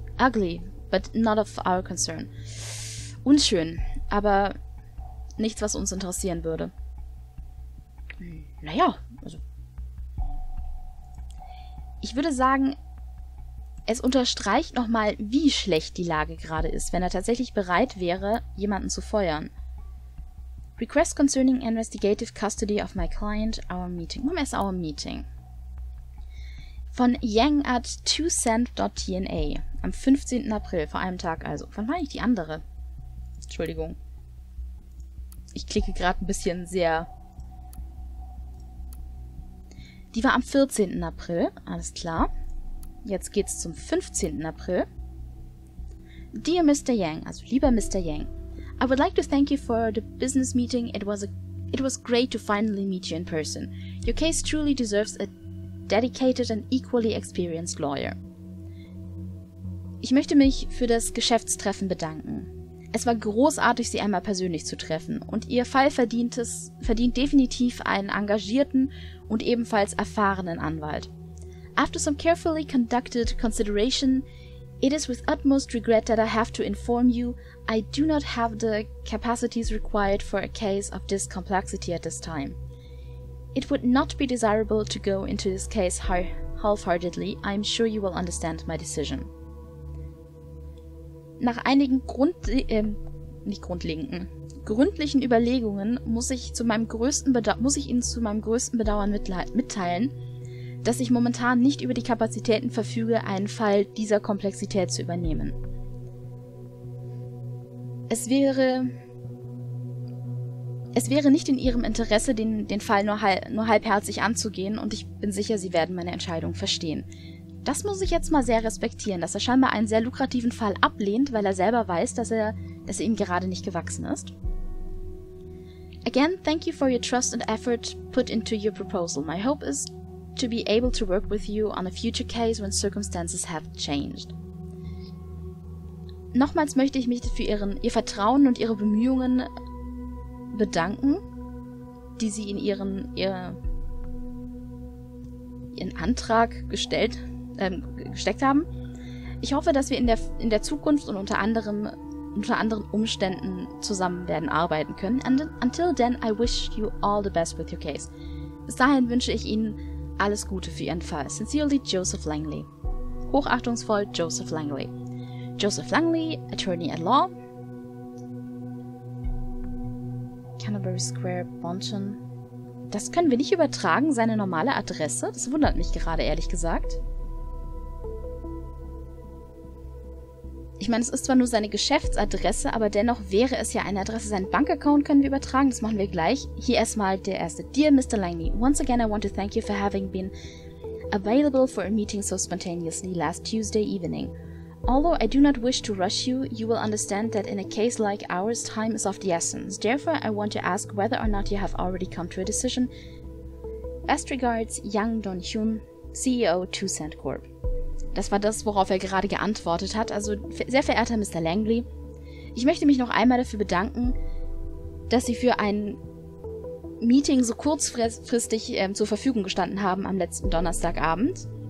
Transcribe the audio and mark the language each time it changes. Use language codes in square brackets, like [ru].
[en] Ugly, but not of our concern. [de] Unschön, aber nichts, was uns interessieren würde. Naja, also... Ich würde sagen, es unterstreicht nochmal, wie schlecht die Lage gerade ist, wenn er tatsächlich bereit wäre, jemanden zu feuern. [en] Request concerning investigative custody of my client, our meeting. [de] Moment, es ist our meeting. Von Yang at 2cent.tna. Am 15. April, vor einem Tag also. Wann war ich die andere? Entschuldigung. Ich klicke gerade ein bisschen sehr... Die war am 14. April, alles klar. Jetzt geht's zum 15. April. Dear Mr. Yang, also lieber Mr. [en] Yang, I would like to thank you for the business meeting. It was great to finally meet you in person. Your case truly deserves a dedicated and equally experienced lawyer. [de] Ich möchte mich für das Geschäftstreffen bedanken. Es war großartig, Sie einmal persönlich zu treffen, und Ihr Fall verdient definitiv einen engagierten und ebenfalls erfahrenen Anwalt. [en] After some carefully conducted consideration, it is with utmost regret that I have to inform you, I do not have the capacities required for a case of this complexity at this time. It would not be desirable to go into this case half-heartedly. I am sure you will understand my decision. [de] Nach einigen gründlichen Überlegungen muss ich Ihnen zu meinem größten Bedauern mitteilen, dass ich momentan nicht über die Kapazitäten verfüge, einen Fall dieser Komplexität zu übernehmen. Es wäre nicht in Ihrem Interesse, den Fall nur halbherzig anzugehen, und ich bin sicher, Sie werden meine Entscheidung verstehen. Das muss ich jetzt mal sehr respektieren, dass er scheinbar einen sehr lukrativen Fall ablehnt, weil er selber weiß, dass er ihm gerade nicht gewachsen ist. [en] Again, thank you for your trust and effort put into your proposal. My hope is to be able to work with you on a future case when circumstances have changed. [de] Nochmals möchte ich mich für ihr Vertrauen und ihre Bemühungen bedanken, die sie in ihren Antrag gesteckt haben. Ich hoffe, dass wir in der Zukunft und unter anderen Umständen zusammen werden arbeiten können. [en] And until then, I wish you all the best with your case. [de] Bis dahin wünsche ich Ihnen alles Gute für Ihren Fall. [en] Sincerely, Joseph Langley. [de] Hochachtungsvoll, [en] Joseph Langley. Joseph Langley, Attorney at Law. Canterbury Square, Bonton. [de] Das können wir nicht übertragen, seine normale Adresse. Das wundert mich gerade, ehrlich gesagt. Ich meine, es ist zwar nur seine Geschäftsadresse, aber dennoch wäre es ja eine Adresse. Seinen Bankaccount können wir übertragen, das machen wir gleich. Hier erstmal der erste. Dear Mr. [en] Langley, once again I want to thank you for having been available for a meeting so spontaneously last Tuesday evening. Although I do not wish to rush you, you will understand that in a case like ours, time is of the essence. Therefore, I want to ask whether or not you have already come to a decision. Best regards, Yang Dong-hyun, CEO 2Cent Corp. [de] Das war das, worauf er gerade geantwortet hat. Also, sehr verehrter Mr. Langley, ich möchte mich noch einmal dafür bedanken, dass sie für ein Meeting so kurzfristig zur Verfügung gestanden haben am letzten Donnerstagabend.